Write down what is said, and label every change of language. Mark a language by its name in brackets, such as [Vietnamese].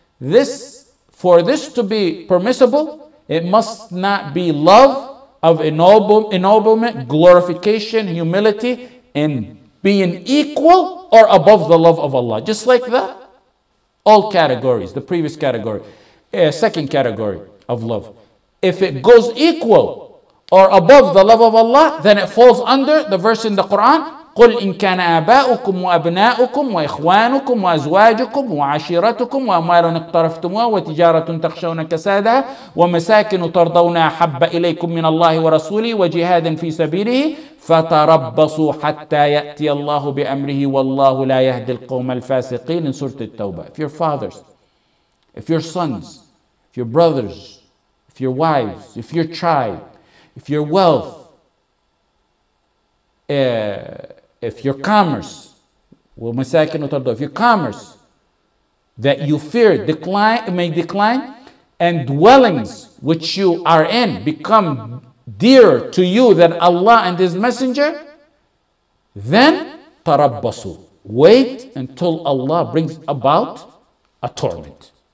[English] This, for this to be permissible, it must not be love of ennoblement, glorification, humility, and being equal or above the love of Allah. Just like that, all categories, the previous category, second category of love. If it goes equal or above the love of Allah, then it falls under the verse in the Quran, [Arabic] قُلْ إِنْ كَانَ آبَاؤُكُمْ وَأَبْنَاؤُكُمْ وَإِخْوَانُكُمْ وَأَزْوَاجُكُمْ وَعَشِيرَتُكُمْ وَأَمْوَالٌ اقْتَرَفْتُمُوهَا وَتِجَارَةٌ تَخْشَوْنَ كَسَادَهَا وَمَسَاكِنُ تَرْضَوْنَهَا أَحَبَّ إِلَيْكُمْ مِنَ اللَّهِ وَرَسُولِهِ وَجِهَادٍ فِي سَبِيلِهِ فَتَرَبَّصُوا حَتَّى يَأْتِيَ اللَّهُ بِأَمْرِهِ وَاللَّهُ لَا يَهْدِي الْقَوْمَ الْفَاسِقِينَ [English] in Surah At-Tawbah. If your fathers, if your sons, if your brothers, if your wives, if your tribe, if your wealth, if your commerce, if your commerce that you fear may decline, and dwellings which you are in become dearer to you than Allah and His Messenger, then tarabbasu, wait until Allah brings about a torment.